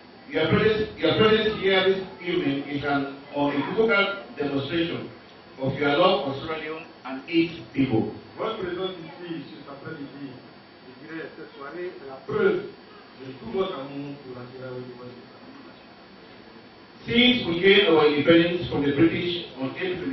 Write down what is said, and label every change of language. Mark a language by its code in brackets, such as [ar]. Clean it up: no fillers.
[en] your presence here this evening is an unequivocal demonstration of your love for Sierra Leone and its people. [fr] Votre présence ici cet après-midi, je dirais cette soirée, est la preuve de tout votre amour pour la Sierra Leone. [en] Since we gained our independence from the British on April